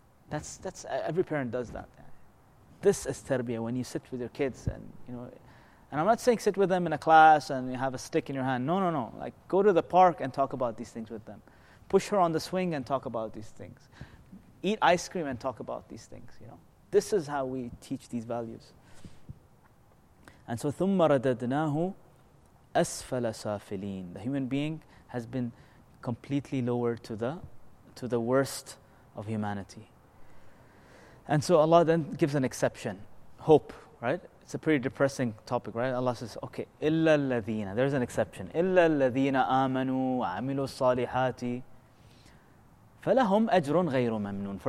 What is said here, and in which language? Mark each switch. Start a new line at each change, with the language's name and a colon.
English: That's every parent does that. This is tarbiyah, when you sit with your kids and, you know, and I'm not saying sit with them in a class and you have a stick in your hand. No. Like, go to the park and talk about these things with them. Push her on the swing and talk about these things. Eat ice cream and talk about these things, you know. This is how we teach these values. And so,
Arabic: ثُمَّ رَدَدْنَاهُ أَسْفَلَ سَافِلِينَ.
English: The human being has been completely lowered to the worst of humanity. And so Allah then gives an exception, hope, right? It's a pretty depressing topic, right? Allah says, okay,
Arabic: إِلَّا الَّذِينَ,
English: there's an exception.
Arabic: إِلَّا الَّذِينَ آمَنُوا وَعَمِلُوا الصَّالِحَاتِ فَلَهُمْ أَجْرٌ غَيْرُ مَمْنُونَ.